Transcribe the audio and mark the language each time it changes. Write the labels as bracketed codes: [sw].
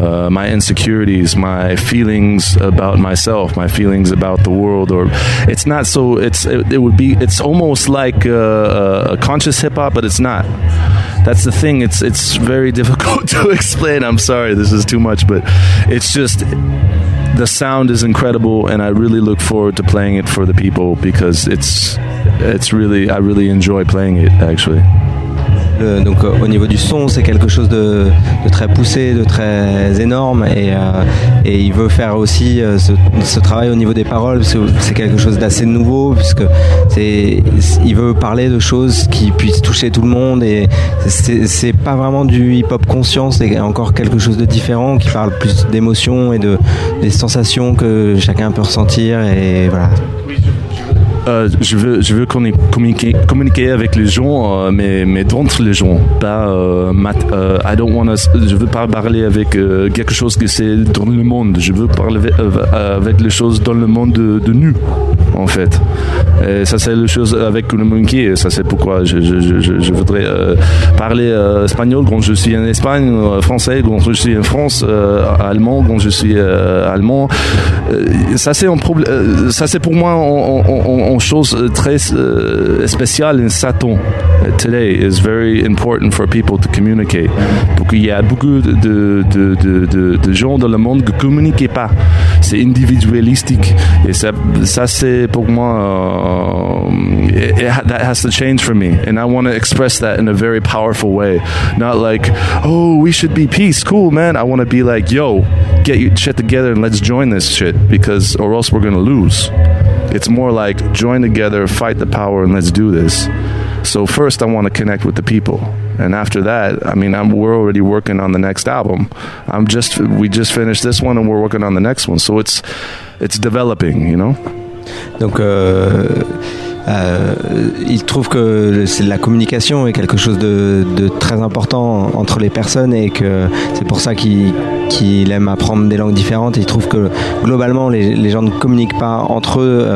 [en] My insecurities, my feelings about myself, my feelings about the world, or it's not so, it's almost like a conscious hip hop, but it's not. That's the thing, it's very difficult to explain. I'm sorry, this is too much, but it's just, the sound is incredible, and I really look forward to playing it for the people because it's really, I really enjoy playing it actually. [fr] Donc au niveau du son, c'est quelque chose de très poussé, de très énorme et il veut faire aussi ce travail au niveau des paroles parce que c'est quelque chose d'assez nouveau puisque il veut parler de choses qui puissent toucher tout le monde et c'est pas vraiment du hip-hop conscient, c'est encore quelque chose de différent qui parle plus d'émotions et des sensations que chacun peut ressentir et voilà. Oui, je veux je veux qu'on communiquer avec les gens, mais d'entre les gens, pas je veux pas parler avec quelque chose que c'est dans le monde. Je veux parler avec les choses dans le monde de nu, en fait. Et ça c'est la chose avec le monkey. Ça c'est pourquoi je voudrais parler espagnol quand je suis en Espagne, français quand je suis en France, allemand quand je suis allemand. Ça c'est un problème. Ça c'est pour moi une chose très spéciale. [en] Un Satan today is very important for people to communicate. [fr] Parce qu'il y a beaucoup de gens dans le monde qui communiquent pas. C'est individualistique. Et ça c'est pour moi. [en] That has to change for me, and I want to express that in a very powerful way. Not like, oh, we should be peace, cool, man. I want to be like, yo, get your shit together and let's join this shit, because or else we're gonna lose. It's more like join together, fight the power, and let's do this. So first, I want to connect with the people, and after that, I mean, we're already working on the next album. We just finished this one, and we're working on the next one. So it's developing, you know. [fr] Donc, il trouve que c'est la communication est quelque chose de très important entre les personnes, et que c'est pour ça qu'il aime apprendre des langues différentes. Il trouve que globalement, les gens ne communiquent pas entre eux.